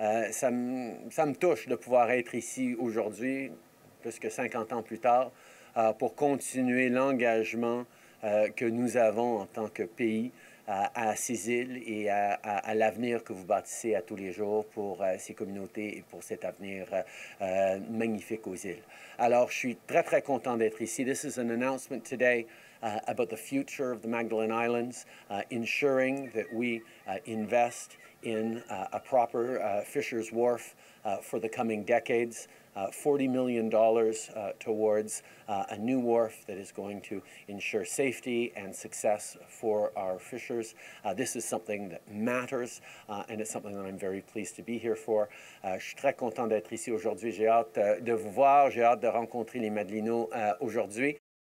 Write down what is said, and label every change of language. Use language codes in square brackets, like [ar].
[fr] Ça me touche de pouvoir être ici aujourd'hui, plus que 50 ans plus tard, pour continuer l'engagement que nous avons en tant que pays à ces îles et à l'avenir que vous bâtissez à tous les jours pour ces communautés et pour cet avenir magnifique aux îles. Alors, je suis très, très content d'être ici. [en] This is an announcement today about the future of the Magdalen Islands, ensuring that we invest in a proper fisher's wharf for the coming decades, $40 million towards a new wharf that is going to ensure safety and success for our fishers. This is something that matters, and it's something that I'm very pleased to be here for. [fr] Je suis très content d'être ici aujourd'hui. J'ai hâte de vous voir. J'ai hâte de rencontrer les Madelinots aujourd'hui.